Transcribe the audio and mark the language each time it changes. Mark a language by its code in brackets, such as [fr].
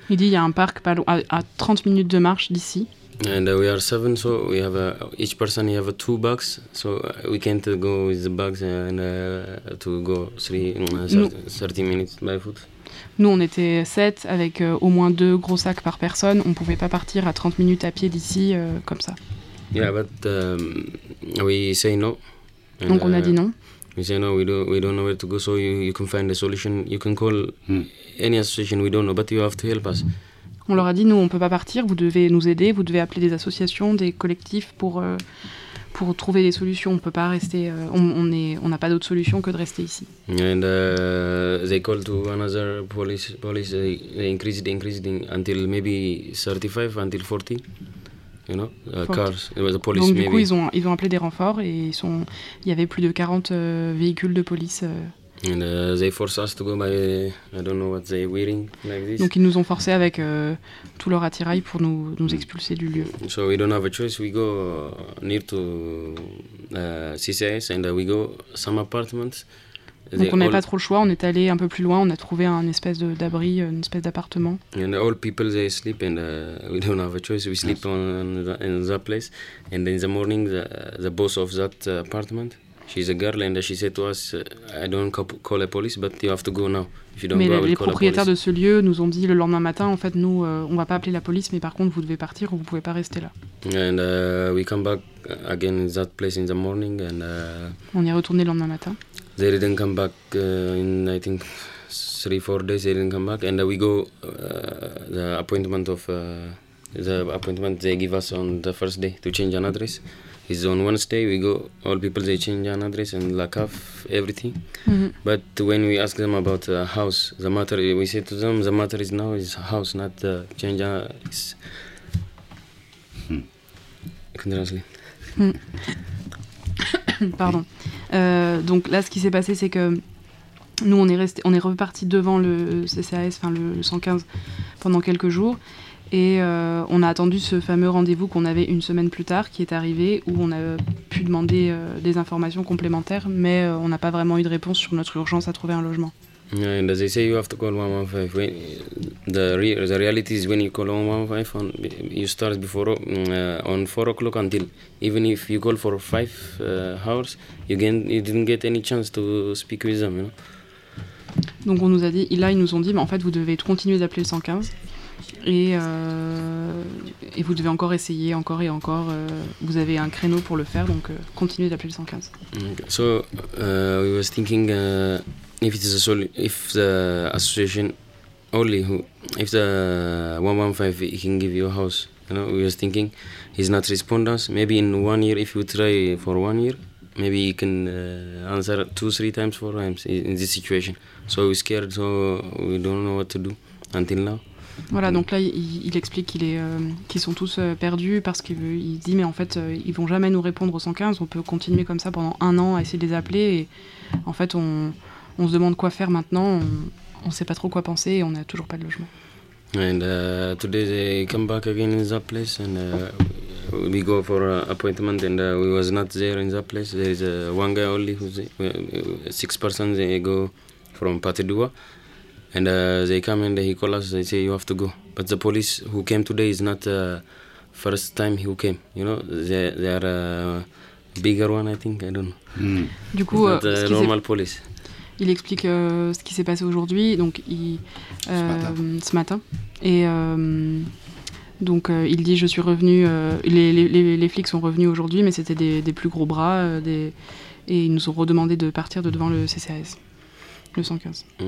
[fr] Il dit il y a un parc à 30 minutes de marche d'ici. [en] And we are seven, so we have each person have two bags, so we can't go with the bags and to go 30 minutes by foot. [fr] Nous, on était sept avec au moins deux gros sacs par personne. On pouvait pas partir à 30 minutes à pied d'ici comme ça. [en] Yeah, but we say no. [fr] And, donc on a dit non. [en] We say no, we don't know where to go, so you can find a solution. You can call any association, we don't know, but you have to help us. [fr] On leur a dit, nous, on ne peut pas partir, vous devez nous aider, vous devez appeler des associations, des collectifs pour trouver des solutions. On ne peut pas rester, on n'a pas d'autre solution que de rester ici. [en] And they called to another police, they increased until maybe 35, until 40, you know, cars, the police. [fr] Donc, [en] maybe. [fr] Du coup, ils ont appelé des renforts et il y avait plus de 40 véhicules de police. [en] And they force us to go by, I don't know what they're wearing, like this. [fr] Donc ils nous ont forcé avec tout leur attirail pour nous expulser du lieu. [en] So we don't have a choice, we go near to CCS and we go some apartments. [fr] Donc on n'avait pas trop le choix, on est allé un peu plus loin, on a trouvé un espèce d'abri, une espèce d'appartement. [en] And all people, they sleep and we don't have a choice, we sleep in that place. And in the morning, the boss of that apartment, she's a girl and she said to us, I don't call the police, but you have to go now. If you don't [fr] mais [en] go, I will call the police. [fr] Les propriétaires de ce lieu nous ont dit le lendemain matin, en fait, nous, on va pas appeler la police, mais par contre, vous devez partir ou vous pouvez pas rester là. [en] And we come back again in that place in the morning. And [fr] on y est retourné le lendemain matin. [en] They didn't come back in, I think, 3-4 days. They didn't come back. And we go the appointment of the appointment they give us on the first day to change an address. It's on Wednesday, we go, all people, they change an address and lock off everything. Mm-hmm. But when we ask them about the house, the matter, we say to them, the matter is now is house, not change an address. I can translate. [fr] Pardon. Donc là, ce qui s'est passé, c'est que nous, on est reparti devant le CCAS, enfin le 115, pendant quelques jours. Et on a attendu ce fameux rendez-vous qu'on avait une semaine plus tard, qui est arrivé, où on a pu demander des informations complémentaires, mais on n'a pas vraiment eu de réponse sur notre urgence à trouver un logement. [en] Yeah, and as they say, you have to call 115. When, the reality is when you call 115, on, you start before on 4 o'clock until even if you call for 5 hours, you didn't get any chance to speak with them. You know? [fr] Donc on nous a dit, là ils nous ont dit, mais en fait vous devez continuer d'appeler le 115 et vous devez encore essayer encore et encore. Vous avez un créneau pour le faire, donc continuez d'appeler le 115. [en] Okay. So we was thinking. If it is a if the association only who, if the 115 can give you a house, you know, we was thinking, he's not responding. Maybe in 1 year, if you try for 1 year, maybe he can answer 2, 3 times, 4 times in this situation. So we're scared. So we don't know what to do until now. [fr] Voilà, donc là, il explique qu'il est, qu'ils sont tous perdus parce qu'il veut, il dit, mais en fait, ils vont jamais nous répondre au 115. On peut continuer comme ça pendant un an à essayer de les appeler et en fait on. On se demande quoi faire maintenant, on ne sait pas trop quoi penser et on n'a toujours pas de logement. [en] And today they come back again in that place and we go for an appointment and we was not there in that place. There is one guy only, who's there, six persons, they go from Patidua. And they come and he call us, they say you have to go. But the police who came today is not the first time he came, you know, they are a bigger one I think, I don't know. Mm. [fr] Du coup, [en] it's not normal police. [fr] Il explique ce qui s'est passé aujourd'hui, donc ce matin. Et donc il dit je suis revenu, les flics sont revenus aujourd'hui, mais c'était des plus gros bras, et ils nous ont redemandé de partir de devant le CCAS, le 115.